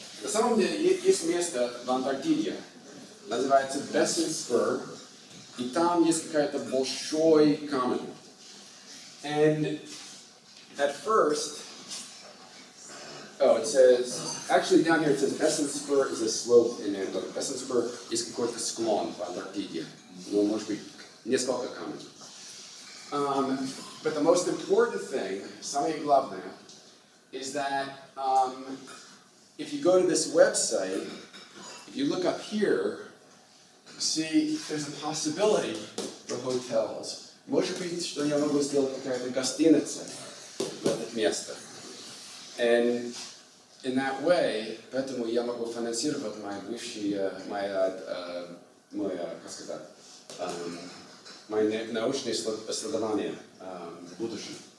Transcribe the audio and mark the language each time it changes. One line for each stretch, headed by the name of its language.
Russian: На самом деле есть место в Антарктиде, называется Besson Spur, и там есть какая-то большой камень.
English: And at first, oh, it says, actually down here it says Besson Spur is a slope in Antarctica.
Russian: Besson Spur is какой-то склон в Антарктиде. Ну, может быть, несколько камней.
English: But the most important thing,
Russian: самое главное,
English: is that if you go to this website, if you look up here, see there's a possibility for hotels.
Russian: Может быть, что я могу сделать какая-то гостиница в этом месте.
English: And in that way,
Russian: поэтому я могу финансировать мой бывший, my научные исследования в будущем.